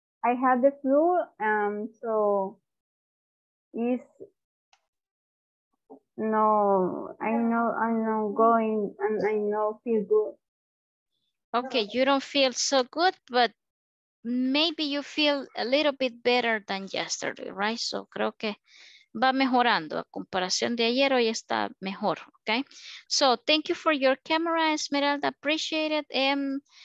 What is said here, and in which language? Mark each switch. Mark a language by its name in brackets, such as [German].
[English] I have the flu, so it's... No, I'm not going and I don't feel good. Okay, you don't feel so good, but maybe you feel a little bit better than yesterday, right? [Spanish] So creo que va mejorando a comparación de ayer, hoy está mejor, okay? [English] So thank you for your camera, Esmeralda, appreciate it.